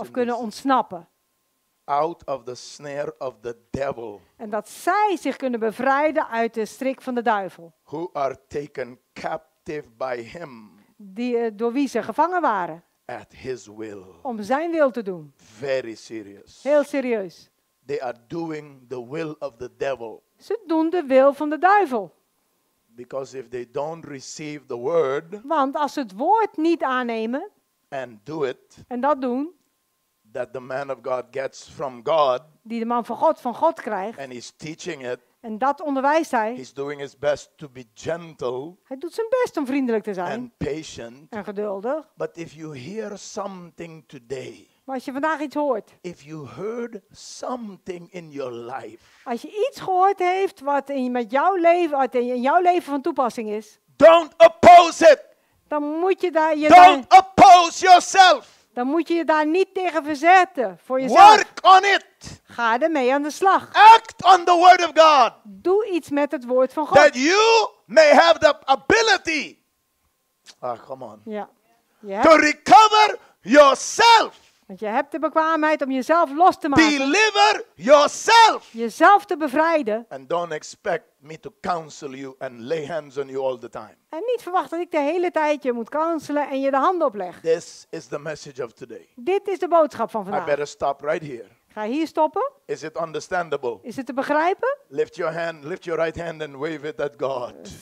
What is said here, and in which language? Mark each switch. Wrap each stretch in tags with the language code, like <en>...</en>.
<nl>of kunnen</nl> <en>this?</en> <nl>Ontsnappen.</nl> <en>Out of the snare of the devil.</en> <nl>En dat zij zich kunnen bevrijden uit de strik van de duivel.</nl> <en>Who are taken captive by him.</en> <nl>Die, door wie ze gevangen waren.</nl> <en>At his will.</en> <nl>Om zijn wil te doen.</nl> <en>Very serious.</en> <nl>Heel serieus.</nl> <en>They are doing the will of the devil.</en> <nl>Ze doen de wil van de duivel.</nl> <en>Because if they don't receive the word.</en> <nl>Want als ze het woord niet aannemen.</nl> <en>And do it.</en> <nl>En dat doen.</nl> <en>That the man of God gets from God.</en> <nl>Die de man van God krijgt.</nl> <en>And he's teaching it.</en> <nl>En dat onderwijst hij.</nl> <en>He's doing his best to be gentle.</en> <nl>Hij doet zijn best om vriendelijk te zijn.</nl> <en>And patient.</en> <nl>En geduldig.</nl> <en>But if you hear something today.</en> <nl>Maar als je vandaag iets hoort.</nl> <en>If you heard something in your life.</en> <nl>Als je iets gehoord heeft wat in jouw leven van toepassing is.</nl> <en>Don't oppose it.</en> <nl>Dan moet je daar je.</nl> <en>Don't oppose yourself.</en> <nl>Dan moet je je daar niet tegen verzetten voor jezelf.</nl> <en>Work on it.</en> <nl>Ga ermee aan de slag.</nl> <en>Act on the word of God.</en> <nl>Doe iets met het woord van God.</nl> <en>That you may have the ability. Ah, come on.</en> <nl>Ja.</nl> <en>To recover yourself.</en> <nl>Want je hebt de bekwaamheid om jezelf los te maken.</nl> <en>Deliver yourself.</en> <nl>Jezelf te bevrijden.</nl> <en>And don't expect me to counsel you and lay hands on you all the time.</en> <nl>En niet verwacht dat ik de hele tijd je moet counselen en je de handen opleg.</nl> <en>This is the message of today.</en> <nl>Dit is de boodschap van vandaag.</nl> <en>I better stop right here.</en> <nl>Ik Ga hier stoppen.</nl> <en>Is it understandable?</en> <nl>Is het te begrijpen?</nl> <en>Lift your right hand and wave it at God.</en>